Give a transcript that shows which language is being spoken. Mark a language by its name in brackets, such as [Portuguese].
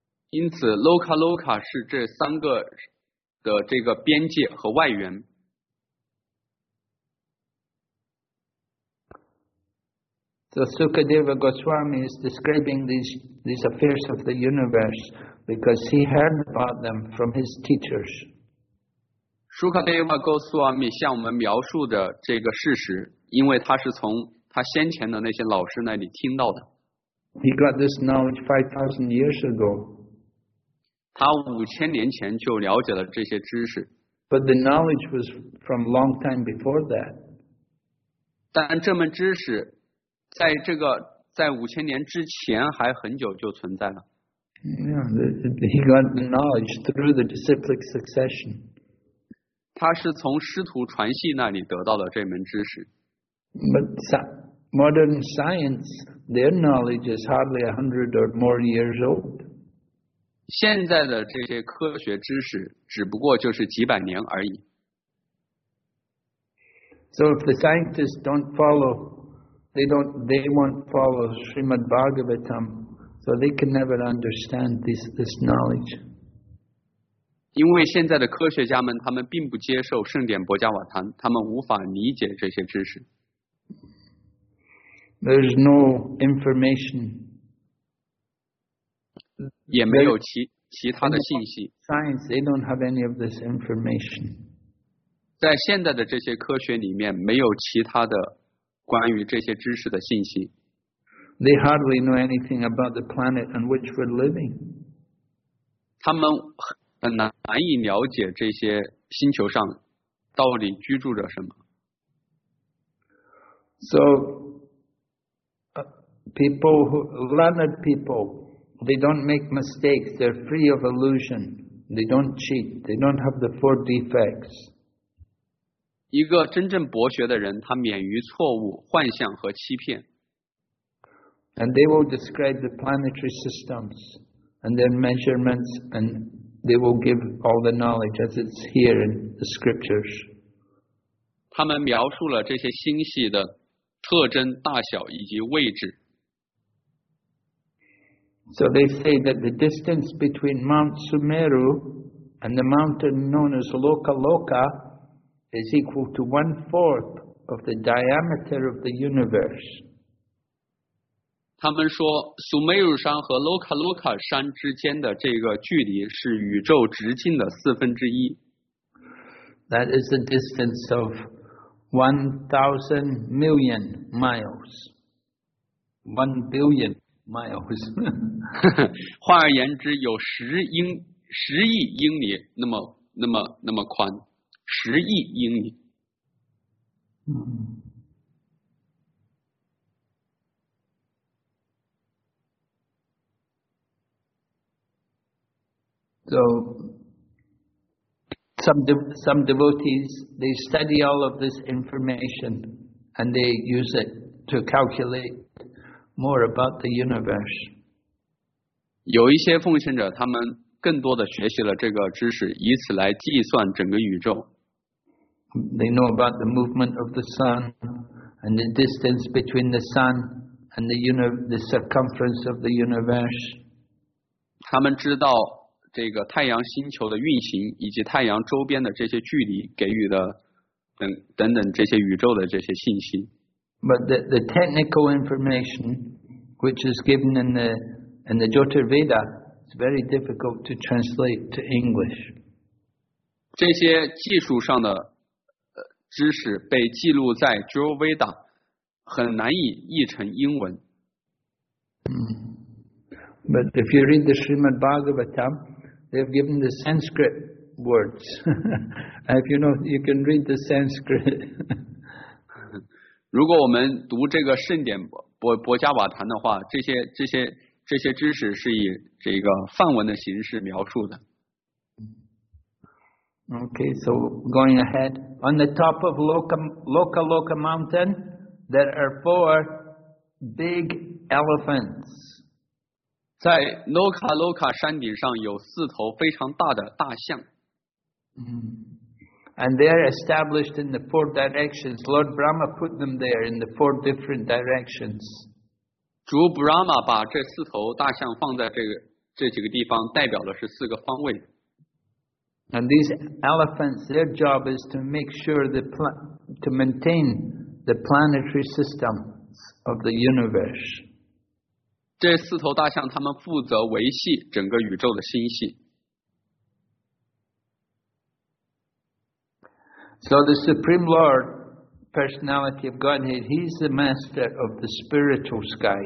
[Chinese] 因此 ，Loka 是这三个的这个边界和外缘。 [English] So Sukadeva Goswami is describing these affairs of the universe because he heard about them from his teachers. [Chinese] 舒卡贝瓦·戈斯瓦米向我们描述着这个事实，因为他是从他先前的那些老师那里听到的。 [English] He got this knowledge 5,000 years ago. [Chinese] 他5000年前就了解了这些知识。 [English] But the knowledge was from long time before that. [Chinese] 但这门知识在这个在5000年之前还很久就存在了。 [English] Yeah, he got the knowledge through the disciplic succession. [Chinese] 他是从师徒传系那里得到的这门知识。 [English] But modern science, their knowledge is hardly 100 or more years old. [Chinese] 现在的这些科学知识只不过就是几百年而已。 [English] So if the scientists won't follow Srimad Bhagavatam, so they can never understand this knowledge. [Chinese] 因为现在的科学家们，他们并不接受圣典博伽瓦坛，他们无法理解这些知识。 [English] There's no information. [Chinese] 也没有其他的信息。 [English] Science, they don't have any of this information. [Chinese] 在现在的这些科学里面，没有其他的关于这些知识的信息。 [English] They hardly know anything about the planet on which we're living. [Chinese] 他们。很难以了解这些星球上到底居住着什么。 [English] So, people, who, learned people, they don't make mistakes. They're free of illusion. They don't cheat. They don't have the four defects. [Chinese] 一个真正博学的人，他免于错误、幻想和欺骗。 [English] And they will describe the planetary systems and their measurements, and they will give all the knowledge as it's here in the scriptures. [Chinese] 他们描述了这些星系的特征、大小以及位置。 [English] So they say that the distance between Mount Sumeru and the mountain known as Loka Loka is equal to 1/4 of the diameter of the universe. [Chinese] 他们说，苏美尔山和洛卡洛卡山之间的这个距离是宇宙直径的四分之一。 [English] That is the distance of 1,000 million miles. 1 billion miles. [Chinese] 换而言之，有10亿英里那么宽。十亿英里。 [English] So, some devotees, they study all of this information and they use it to calculate more about the universe. [Chinese] 有一些奉行者，他们更多的学习了这个知识，以此来计算整个宇宙。 [English] They know about the movement of the sun and the distance between the sun and the circumference of the universe. [Chinese] 他们知道这个太阳星球的运行以及太阳周边的这些距离给予的等等这些宇宙的这些信息。 [English] But the technical information which is given in the Jyotirveda is very difficult to translate to English. [Chinese] 这些技术上的知识被记录在 Jyotirveda， 很难以译成英文。 [English] But if you read the Srimad Bhagavatam, they've given the Sanskrit words. If you know, you can read the Sanskrit. [Chinese] 如果我们读这个圣典博伽瓦坛的话，这些知识是以这个梵文的形式描述的。 [English] Okay, so going ahead. On the top of Loka Loka Mountain, there are four big elephants. [Chinese] 在 Loka Loka 山顶上有四头非常大的大象。 [English] And they are established in the four directions. Lord Brahma put them there in the four different directions. [Chinese] 主 Brahma 把这四头大象放在这几个地方，代表的是四个方位。 [English] And these elephants, their job is to make sure to maintain the planetary systems of the universe. [Chinese] 这四头大象，他们负责维系整个宇宙的星系。 [English] So the Supreme Lord, Personality of Godhead, He's the master of the spiritual sky.